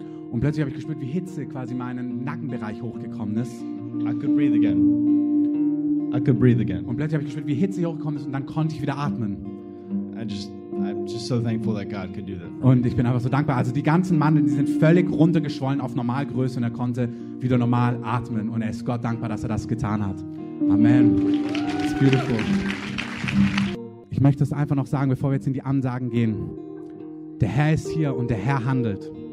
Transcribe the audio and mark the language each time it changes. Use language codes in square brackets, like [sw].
[de] und plötzlich habe ich gespürt, wie Hitze quasi meinen Nackenbereich hochgekommen ist. [en] I could breathe again. I could breathe again. [de] Und plötzlich habe ich gespürt, wie Hitze hochgekommen ist und dann konnte ich wieder atmen. [en] I'm just so thankful that God could do that. [de] Und ich bin einfach so dankbar. Also die ganzen Mandeln, die sind völlig runtergeschwollen auf Normalgröße und er konnte wieder normal atmen. Und er ist Gott dankbar, dass er das getan hat. Amen. Beautiful. Ich möchte es einfach noch sagen, bevor wir jetzt in die Ansagen gehen. Der Herr ist hier und der Herr handelt.